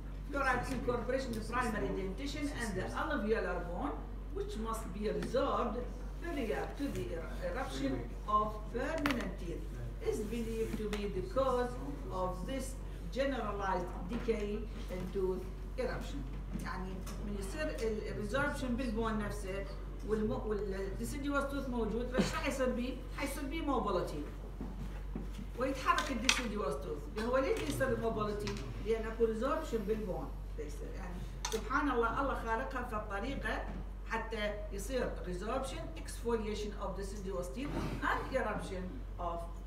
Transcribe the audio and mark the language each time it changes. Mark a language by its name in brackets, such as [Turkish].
[English] Fluoride incorporation to primary dentition and the alveolar bone, which must be resorbed prior to the eruption of permanent teeth. Is believed to be the cause of this generalized decay and tooth eruption. [Arabic] يعني من يصير ال resorption بالبون نفسه وال deciduous tooth موجود بس حيصير بيه mobility ويتحرك ال deciduous tooth. هو ليه يصير mobility؟ لأن أكو resorption بالبون. يعني سبحان الله الله خالقها في الطريقة حتى يصير [English] resorption exfoliation of deciduous teeth and eruption of